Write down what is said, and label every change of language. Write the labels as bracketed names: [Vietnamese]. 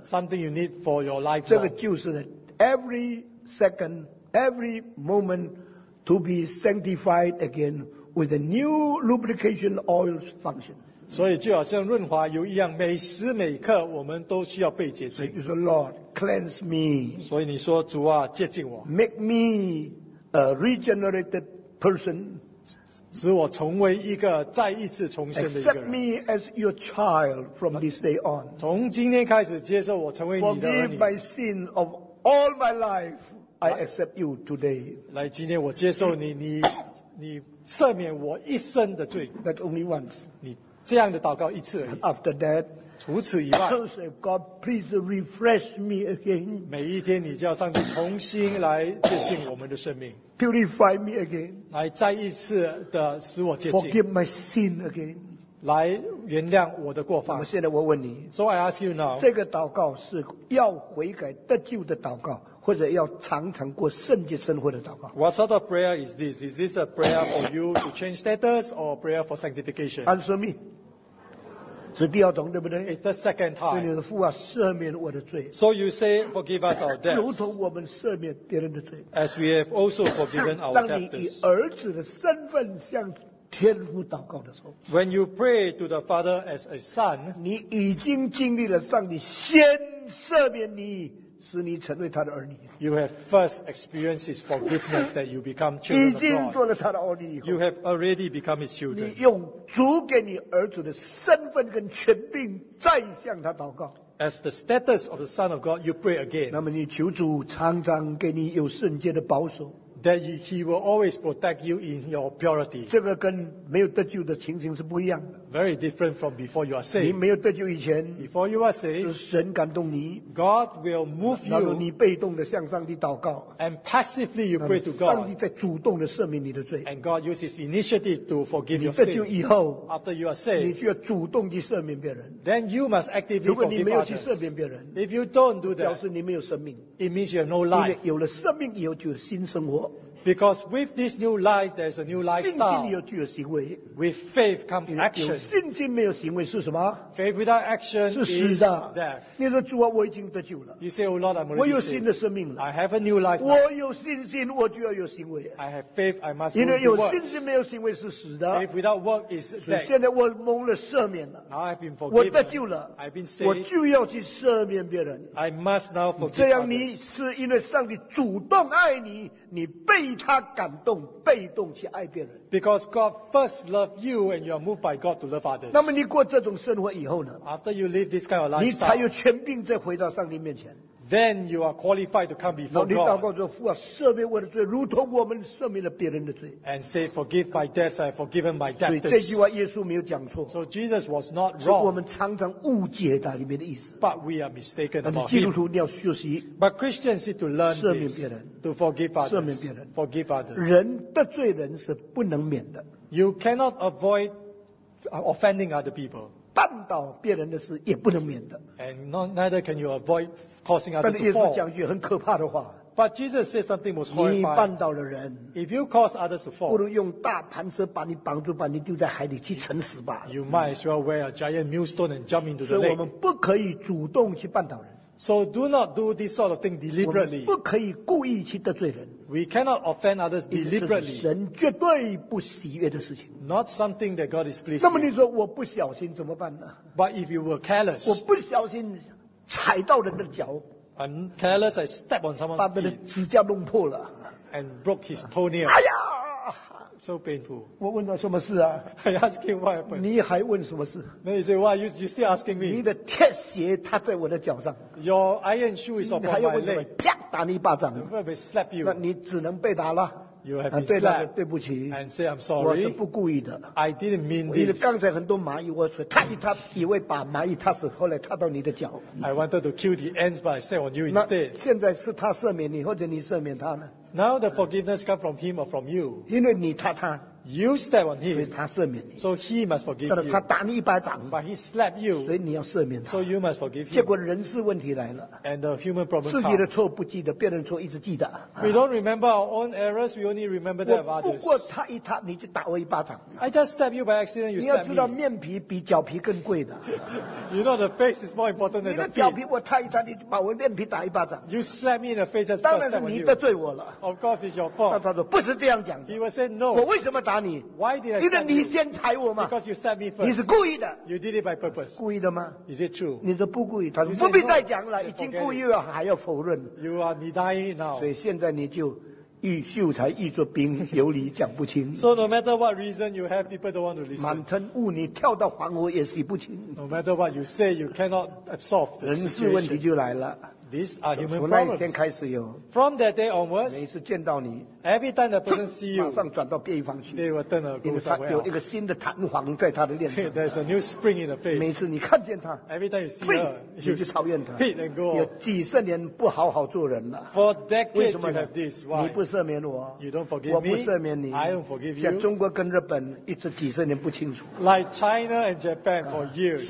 [English] Something you need for your life. [Chinese] 这个就是呢。 [English] Every second, every moment to be sanctified again with a new lubrication oil function. [Chinese] 所以就好像润滑油一样，每时每刻我们都需要被洁净。 [English] You say, Lord, cleanse me. [Chinese] 所以你说主啊，洁净我。 [English] Make me a regenerated person. [Chinese] 使我成为一个再一次重生的一个人。 [English] Accept me as your child from this day on. [Chinese] 从今天开始接受我成为你的儿女。 [English] Forgive my sin of All my life, I accept you today. [Chinese] 来，今天我接受你，你赦免我一生的罪。 [English] That only once. [Chinese] 你这样的祷告一次而已。 [English] After that, [Chinese] 除此以外 [English] say, God, please refresh me again. [Chinese] 每一天，你就要上帝重新来洁净我们的生命。 [English] Purify me again. [Chinese] 来，再一次的使我洁净。 [English] Forgive my sin again. [Chinese] 来，原谅我的过犯。那么现在我问你 [English] ，So I ask you now， [Chinese] 这个祷告是要悔改得救的祷告，或者要常常过圣洁生活的祷告 [English] ？What sort of prayer is this? Is this a prayer for you to change status or prayer for sanctification? Answer me. [Chinese] 是第二种，对不对 [English] ？It's the second time. [Chinese] 对你的父啊，赦免我的罪。 [English] So you say, forgive us our debts. [Chinese] 如同我们赦免别人的罪。 [English] As we have also forgiven our debtors. [Chinese] 当你以儿子的身份向天父祷告的时候 [English] ，When you pray to the Father as a son， [Chinese] 你已经经历了上帝先赦免你，使你成为他的儿女。 [English] You have first experienced his forgiveness that you become children of God。 [Chinese] 已经做了他的儿女。 [English] You have already become his children。 [Chinese] 你用主给你儿子的身份跟权柄再向他祷告。 [English] As the status of the Son of God, you pray again。 [Chinese] 那么你求主常常给你有圣洁的保守。 [English] that he will always protect you in your purity. [Chinese] 这个跟没有得救的情形是不一样的。 [English] Very different from before you are saved. [Chinese] 你没有得救以前 [English] before you are saved, [Chinese] 神感动你 [English] God will move you, [Chinese] 然后你被动地向上帝祷告 [English] and passively you pray to God. [Chinese] 上帝在主动地赦免你的罪 [English] and God uses initiative to forgive your [Chinese] sin. 你得救以后 [English] after you are saved, [Chinese] 你就要主动地赦免别人 [English] then you must actively forgive others. [Chinese] 如果你没有去赦免别人 [English] if you don't do that, [Chinese] 表示你没有生命 [English] it means you have no life. [Chinese] 因为有了生命以后就有新生活 [English] Because with this new life, there's a new lifestyle. [Chinese] 信心有就有行为。 [English] With faith comes action. [Chinese] 有信心没有行为是什么 [English] ？Faith without action [Chinese] 是死的。 [English] Death. [Chinese] 你说主啊，我已经得救了。 [English] You say, Oh Lord, I'm already [Chinese] saved. 我有新的生命了。 [English] I have a new life. [Chinese] 我有信心，我就要有行为。 [English] I have faith, I must. [Chinese] 因为有信心没有行为是死的。 [English] Faith without work is dead. [Chinese] 所以现在我蒙了赦免了。 [English] Now I've been forgiven. [Chinese] 我得救了。 [English] I've been saved. [Chinese] 我就要去赦免别人。 [English] I must now forgive. [Chinese] 这样你是因为上帝主动爱你，你被。他感动，被动去爱别人。 [English] Because God first loved you, and you are moved by God to love others. [Chinese] 那么你过这种生活以后呢 [English] ？After you live this kind of lifestyle, [Chinese] 你才有权柄再回到上帝面前。 [English] Then you are qualified to come before God. [Chinese] 你祷告说：“父啊，赦免我的罪，如同我们赦免了别人的罪。 [English] ”And say, "Forgive my debts, I have forgiven my debtors." [Chinese] 所以这句话耶稣没有讲错。 [English] So Jesus was not wrong. [Chinese] 是我们常常误解他里面的意思。 [English] But we are mistaken about him. [Chinese] 基督徒要学习。 [English] But Christians need to learn this. [Chinese] 赦免别人。 [English] To forgive others. [Chinese] 赦免别人。 [English] Forgive others. [Chinese] 人得罪人是不能免的。 [English] You cannot avoid offending other people. [Chinese] 绊倒别人的事也不能免的。 [English] And neither can you avoid causing others to fall. [Chinese] 但是耶稣讲一句很可怕的话。 [English] But Jesus said something was horrifying. [Chinese] 你绊倒了人。 [English] If you cause others to fall. [Chinese] 不如用大磐石把你绑住，把你丢在海里去沉死吧。 [English] You might as well wear a giant millstone and jump into the lake. [Chinese] 所以我们不可以主动去绊倒人。 [English] So do not do this sort of thing deliberately. [Chinese] 我们不可以故意去得罪人。 [English] We cannot offend others deliberately. [Chinese] 这是神绝对不喜悦的事情。 [English] Not something that God is pleased with. [Chinese] 那么你说我不小心怎么办呢 [English] ？But if you were careless, [Chinese] 我不小心踩到人的脚。 [English] I'm careless. I step on someone's feet. [Chinese] 把他的指甲弄破了。 [English] And broke his toenail. [Chinese] 哎呀 [English] ！So painful. [Chinese] 我问他什么事啊 [English] ？I ask him what happened. [Chinese] 你还问什么事 [English] ？Then he said, "Why you still asking me?" [Chinese] 你的铁鞋踏在我的脚上。 [English] Your iron shoe is upon my leg. [Chinese] 啪打你一巴掌。 [English] If I slap you, [Chinese] 那你只能被打了。 [English] You have been slapped. [Chinese] 对不起。 [English] And say I'm sorry. [Chinese] 我是不故意的。 [English] I didn't mean this. [Chinese] 你刚才很多蚂蚁，我去踏一踏，以为把蚂蚁踏死，后来踏到你的脚。 [English] I wanted to kill the ants, but I stepped on you instead. [Chinese] 那现在是他赦免你，或者你赦免他呢 [English] ？Now the forgiveness comes from him or from you. [Chinese] 因为你踏他。 [English] You step on him, [Chinese] 所以他赦免你。 [English] So he must forgive you. [Chinese] 他打你一巴掌。 [English] But he slapped you. [Chinese] 所以你要赦免他。 [English] So you must forgive him. [Chinese] 结果人事问题来了。 [English] And the human problem comes. [Chinese] 自己的错不记得，别人错一直记得。 [English] We don't remember our own errors, we only remember that of others. [Chinese] 我不过踏一踏，你就打我一巴掌。 [English] I just step you by accident, you step me. [Chinese] 你要知道面皮比脚皮更贵的。 [English] You know the face is more important than the feet. [Chinese] 你的脚皮我踏一踏，你把我面皮打一巴掌。 [English] You slap me in the face, that's first step on you. [Chinese] 当然是你得罪我了。 [English] Of course it's your fault. [Chinese] 他说不是这样讲的。 [English] He will say no. [Chinese] 我为什么打你 [English] Why did I stab you? [Chinese] 因为你先踩我嘛。 [English] Because you stabbed me first. [Chinese] 你是故意的。 [English] You did it by purpose. [Chinese] 故意的吗 [English] ？Is it true? [Chinese] 你是不故意。他说不必再讲了，已经故意了，还要否认。 [English] You are denying now. [Chinese] 所以现在你就欲秀才欲作兵，有理讲不清。 [English] So no matter what reason you have, people don't want to listen. [Chinese] 满吞雾，你跳到黄河也洗不清。 [English] No matter what you say, you cannot absolve the situation. [Chinese] 人事问题就来了。 [English] These are human problems. [Chinese] 从那一天开始有。 [English] From that day onwards, [Chinese] 每次见到你 [English] ，Every time the person see you, [Chinese] 马上转到别一方去。 [English] They will turn a go somewhere. [Chinese] 有一个新的弹簧在他的脸上。 [English] There's a new spring in the face. [Chinese] 每次你看见他 [English] ，Every time you see her, [Chinese] 你就讨厌他。 [English] Hit and go. [Chinese] 有几十年不好好做人了。 [English] For decades you have this. Why? [Chinese] 你不赦免我 [English] ，You don't forgive me. [Chinese] 我不赦免你 [English] ，I don't forgive you. [Chinese] 像中国跟日本一直几十年不清楚。 [English] Like China and Japan for years.